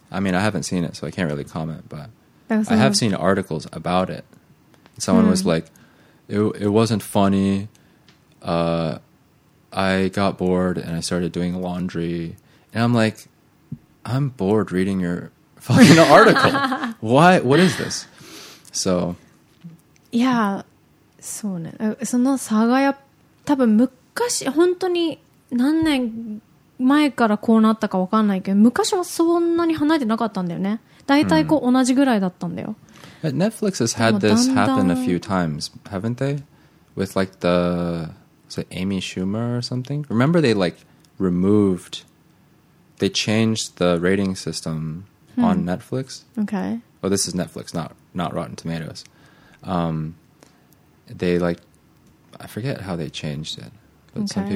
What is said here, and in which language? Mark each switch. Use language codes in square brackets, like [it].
[en] I mean, I haven't seen it, so I can't really comment, but I have seen articles about it. Someone was like, it wasn't funny. I got bored and I started doing laundry. And I'm like, I'm bored reading your fucking article. Why? What is this? So, yeah. [ja] So, その差がや多分昔本当に何年前からこうなったか分かんないけど昔はそんなに離れてなかったんだよねだいたいこう同じぐらいだったんだよ、 [en] But、Netflix has had this happen a few times haven't they? With like the was it Amy Schumer or something? Remember they like removed they changed the rating system on Netflix? Okay. Well this is Netflix not Rotten Tomatoes、they like I forget how they changed it but、okay.